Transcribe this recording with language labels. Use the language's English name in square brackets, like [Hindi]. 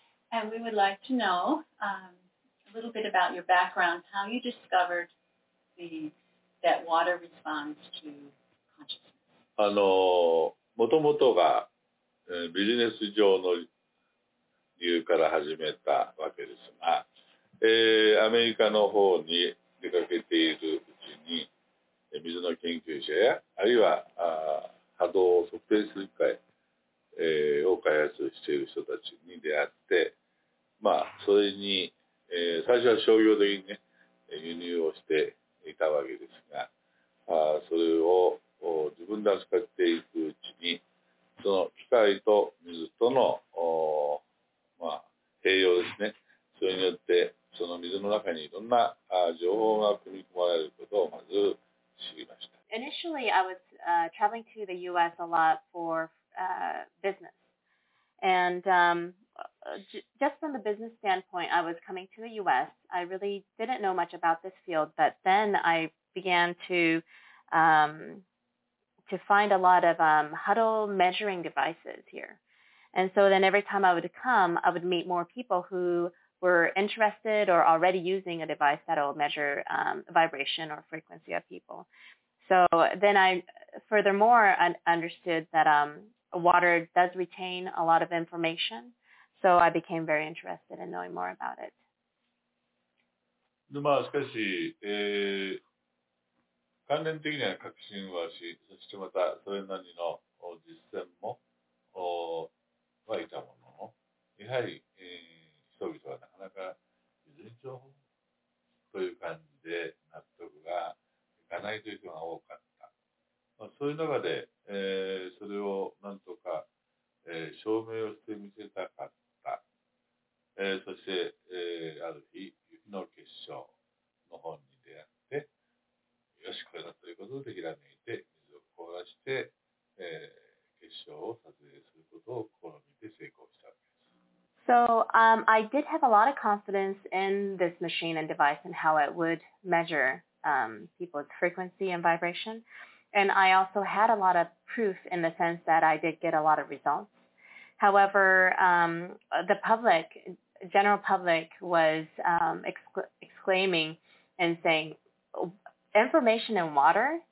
[English] And we would like to know a little bit about your background, how you discovered that water responds to consciousness. [Japanese] もともとがビジネス上の理由から始めたわけですが、アメリカの方に出かけているうちに、水の研究者や、あるいは波動を測定する機械を開発している人たちに出会って、まあ、それに、最初は商業的にね、輸入をしていたわけですが、それを自分で扱っていくうちに、その機械と水との、まあ、併用ですね、それによって、その水の中にいろんな情報が組み込まれることをまず知りました。 [English] Initially, I was traveling to the U.S. a lot for business. And just from the business standpoint, I was coming to the U.S. I really didn't know much about this field, but then I began to find a lot of huddle measuring devices here. And so then every time I would come, I would meet more people who were interested or already using a device that will measure vibration or frequency of people. So then I furthermore understood that water does retain a lot of information. So I became very interested in knowing more about it. [Japanese] まあ、しかし、関連的には確信はし、そしてまたそれなりの実践もはいたものの、やはり、人々はなかなか事前情報という感じで納得がいかないという人が多かった。まあ、そういう中で、それをなんとか、証明をしてみせたかった。そして、ある日、雪の結晶の本に出会って、よし、これだということでひらめいて、水を凍らして、結晶を撮影することを試みて成功した。 [English] So I did have a lot of confidence in this machine and device and how it would measure people's frequency and vibration. And I also had a lot of proof in the sense that I did get a lot of results. However, the public, general public was exclaiming and saying, information in water?